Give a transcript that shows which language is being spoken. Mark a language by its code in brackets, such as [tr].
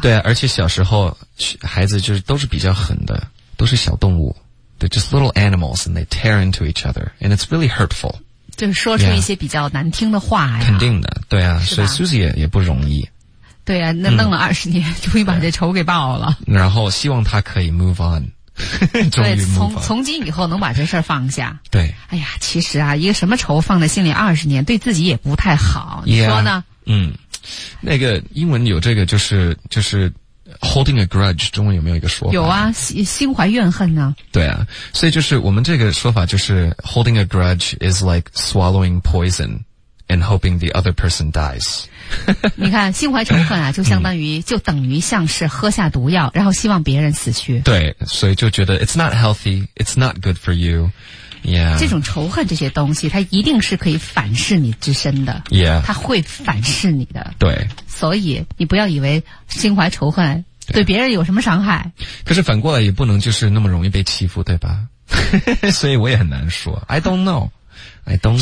[zh] 对啊，而且小时候孩子就是都是比较狠的，都是小动物。 [en] They're just little animals and they tear into each other and it's really hurtful. [zh] 就是说出一些比较难听的话呀。肯定的，对啊，所以 Susie 也不容易。对啊那弄了20年、终于把这仇给报了。然后希望他可以 [en] move on。 [zh] 对从今以后能把这事儿放下。对。哎呀其实啊一个什么仇放在心里20年对自己也不太好。你说呢 yeah, 嗯。那个英文有这个就是 [en] holding a grudge, [zh] 中文有没有一个说法有啊 心怀怨恨呢。对啊所以就是我们这个说法就是 [en] holding a grudge is like swallowing poison。 And hoping the other person dies. [zh] 你看，心怀仇恨啊，就相当于、嗯、就等于像是喝下毒药，然后希望别人死去。 [en] 对， [zh] 所以就觉得 [en] it's not healthy, it's not good for you. Yeah. [zh] 这种仇恨这些东西，它一定是可以反噬你之身的。 [en] Yeah. [zh] 它会反噬你的。对。所以你不要以为心怀仇恨对别人有什么伤害。可是反过来也不能就是那么容易被欺负，对吧？所以我也很难说。 [en] I don't know. I don't know.